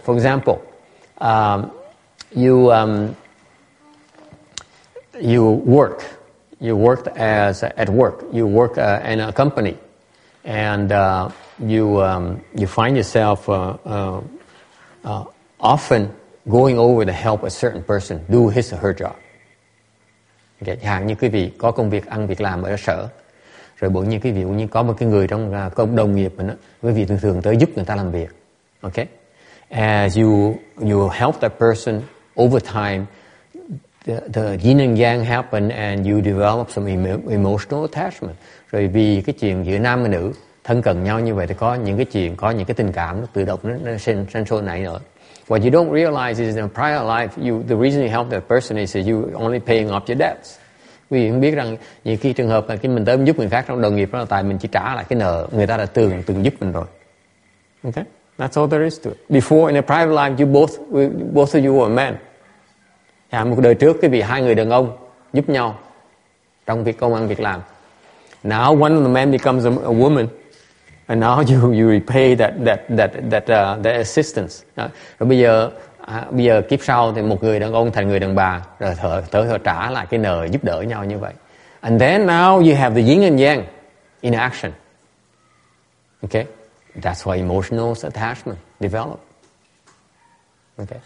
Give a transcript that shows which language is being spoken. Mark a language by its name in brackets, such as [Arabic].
[English] For example, you work in a company, and you find yourself often going over to help a certain person do his or her job. [Vietnamese] Okay, hàng như quý vị có công việc ăn việc làm ở sở, rồi bỗng nhiên quý vị cũng như có một cái người trong cộng đồng nghiệp mình đó, quý vị thường thường tới giúp người ta làm việc. [English] Okay, as you help that person over time, the yin and yang happen and you develop some emotional attachment. [Vietnamese] Rồi vì cái chuyện giữa nam và nữ thân cận nhau như vậy thì có những cái chuyện, có những cái tình cảm nó tự động nó sinh sôi nảy nở. [English] What you don't realize is in a prior life, the reason you help that person is that you only paying off your debts. [Vietnamese] Quý vị biết rằng những cái trường hợp là mình tới giúp người khác trong đồng nghiệp đó là tại mình chỉ trả lại cái nợ người ta đã từng giúp mình rồi. [English] Okay? That's all there is to it. Before, in a private life, both of you were men. [Vietnamese] Yeah, một đời trước, quý vị hai người đàn ông giúp nhau trong việc công ăn việc làm. [English] Now one of the men becomes a woman, and now you repay that assistance. [Vietnamese] Rồi bây giờ kiếp sau thì một người đàn ông thành người đàn bà, rồi thở trả lại cái nợ giúp đỡ nhau như vậy. [English] And then now you have the yin and yang in action. Okay? That's why emotional attachment develop. Okay.